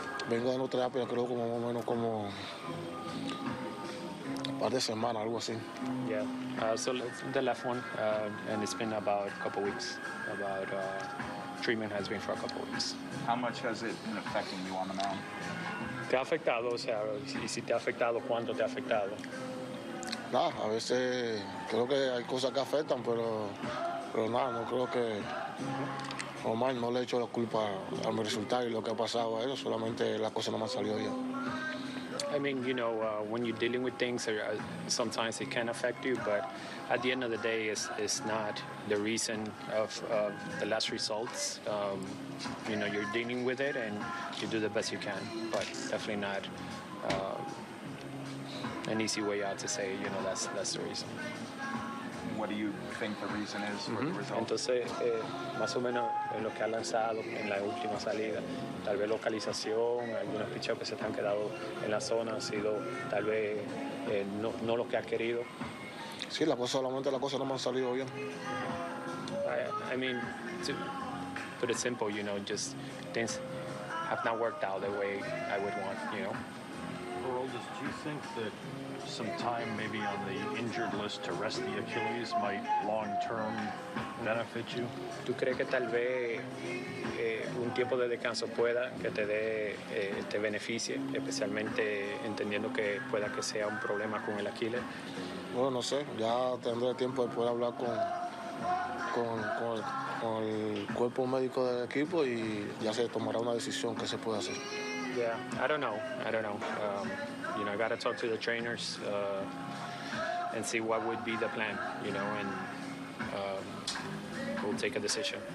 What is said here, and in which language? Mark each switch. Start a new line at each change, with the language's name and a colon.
Spanish: Vengo dando terapia, creo, como más o menos como par de semana, algo así.
English: Yeah. So the left one, and it's been about a couple weeks. About treatment has been for a couple weeks. How much has it been affecting you on the mound?
Spanish: ¿Te ha afectado, o sea, y si te ha afectado, cuánto te ha afectado? Nada, a veces creo que hay cosas que afectan, pero nada, no creo que Omar no le he hecho la culpa a mi resultado y lo que ha pasado a él, solamente la cosa no me ha salido bien.
English: I mean, you know, when you're dealing with things, sometimes it can affect you, but at the end of the day, it's not the reason of the last results. You know, you're dealing with it, and you do the best you can, but definitely not an easy way out to say, you know, that's the reason. What do you think the reason is for the result?
Spanish: Entonces, más o menos en lo que ha lanzado en la última salida, tal vez localización, algunos picheos que se han quedado en la zona han sido tal vez no lo que ha querido. Sí, la cosa solamente la cosa no me han salido bien.
English: I mean, to put it simple, you know, just things have not worked out the way I would want, you know. Aroldis, do you think that some time maybe on the injured list to rest the Achilles might long-term benefit you?
Spanish: ¿Tú crees que tal vez un tiempo de descanso pueda que te dé te beneficie, especialmente entendiendo que pueda que sea un problema con el Aquiles? Bueno, no sé. Ya tendré tiempo de poder hablar con el cuerpo médico del equipo y ya se tomará una decisión que se puede hacer.
English: Yeah, I don't know. I don't know. You know, I gotta talk to the trainers and see what would be the plan, you know, and we'll take a decision.